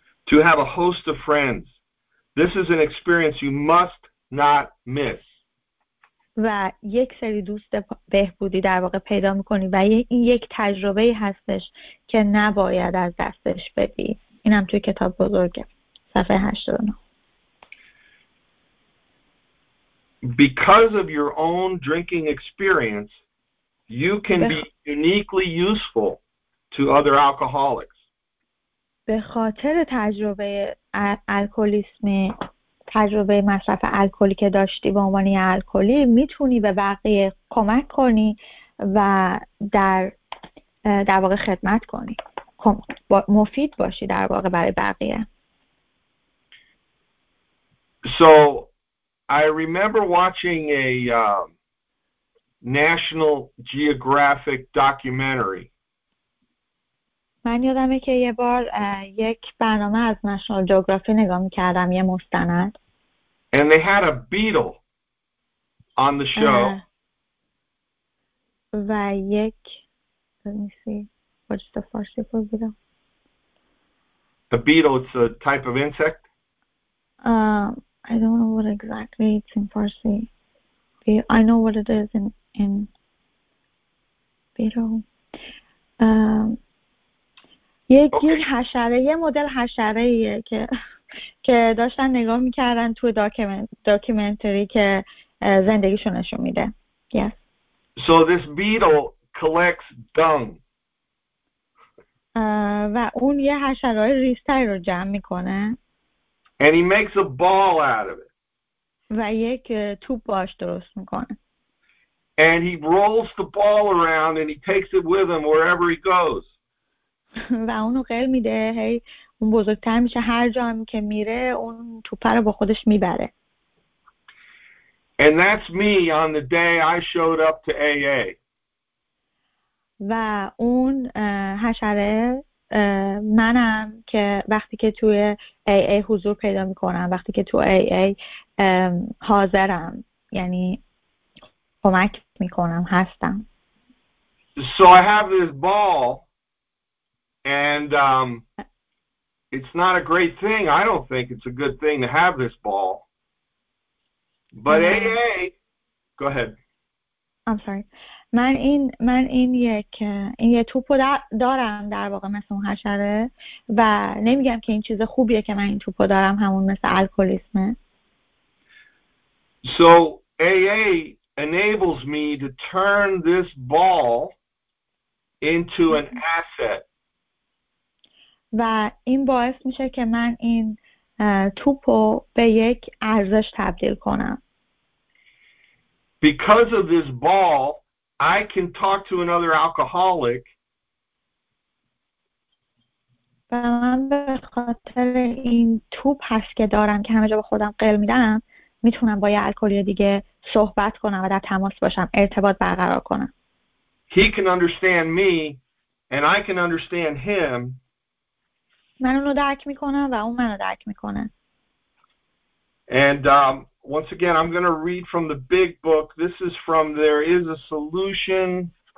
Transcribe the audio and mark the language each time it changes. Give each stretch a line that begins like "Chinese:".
English: To have a host of friends. This is an experience you must not miss.
Persian: و یک سری دوست بهبودی در واقع پیدا میکنی و این یک تجربه هستش که نباید از دستش بدی. اینم توی کتاب بزرگه صفحه 89.
English: Because of your own drinking experience, you can be uniquely useful to other alcoholics.
Persian: به خاطر تجربه الکلیسمی، تجربه مصرف الکلی که داشتی به عنوان یه الکلی، میتونی به بقیه کمک کنی و در واقع خدمت کنی، مفید باشی در واقع برای بقیه.
English: So I remember watching a National Geographic documentary.
Persian: من یادمه که یه بار یک برنامه از National Geographic نگاه میکردم، یه مستند.
English: And they had a beetle on the show.
Persian: و یک
English: let me see what's the first type of beetle. The beetle, it's a type of insect. I don't know what exactly it's in Farsi. I know what it is in beetle.
Persian: یک حشره، یه مدل حشره ایه که داشتن نگاه میکردن تو داکیومنتری که زندگیشو نشون میده.
English: Yes. So this beetle collects dung.
Persian: و اون یه حشرهای ریستری رو جمع میکنه.
English: And he makes a ball out of it.
Persian: و یک توپ باش درست میکنه.
English: And he rolls the ball around and he takes it with him wherever he goes.
Persian: و اونو قل میده، هی اون بزرگتر میشه، هر جا هم که میره اون توپه رو با خودش میبره.
English: And that's me on the day I showed up to AA.
Persian: و اون حشره منم که وقتی که توی AA حضور پیدا میکنم، وقتی که تو AA حاضرم، یعنی کمک میکنم، هستم.
English: So I have this ball and it's not a great thing. I don't think it's a good thing to have this ball. But AA, go ahead. I'm sorry.
Persian: من این یه توپو دارم در واقع مثل اون حشره و نمیگم که این چیز خوبیه که من این توپو دارم، همون مثل الکلیسمه.
English: So AA enables me to turn this ball into an asset.
Persian: و این باعث میشه که من این توپو به یک ارزش تبدیل کنم.
English: Because of this ball, I can talk to another alcoholic.
Persian: و من به خاطر این توپ هست که دارم که همه جا به خودم قل میدم، میتونم با یه الکلی دیگه صحبت کنم و در تماس باشم، ارتباط برقرار کنم.
English: He can understand me and I can understand him.
Persian: من اونو درک میکنم و اون منو درک میکنه.
English: And once again, I'm going to read from the big book. This is from There Is a Solution.